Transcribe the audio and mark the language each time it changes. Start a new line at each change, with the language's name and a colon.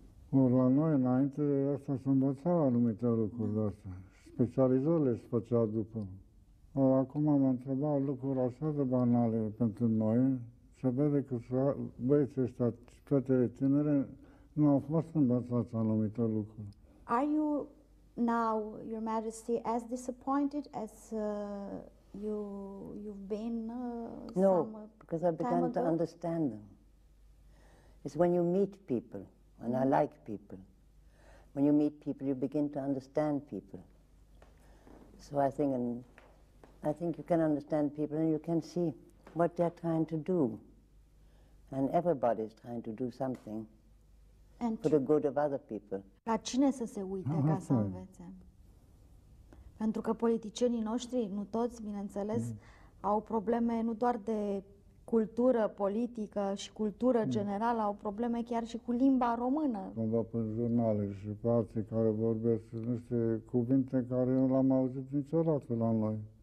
Romanian: Ori la noi, înainte, asta se învăța anumite lucruri astea. Specializările se făcea după. Ori acum am întrebat lucruri așa de banale pentru noi, se vede că băieții ăștia, toate tinere, Nu au fost învățați anumite lucruri.
English: Are you now, Your Majesty, as disappointed as you've been No, because I began to understand them. It's when you meet people, and I like people. When you meet people, you begin to understand people. So I think you can understand people and you can see what they're trying to do. And everybody's trying to do something and for the good of other people.
Romanian: La cine să se uite ca să învețe? Pentru că politicienii noștri, nu toți, bineînțeles, au probleme nu doar de cultură politică și cultură generală, au probleme chiar și cu limba română. Cumva pe jurnale și pe alții care vorbesc niște cuvinte care nu le-am auzit niciodată la noi.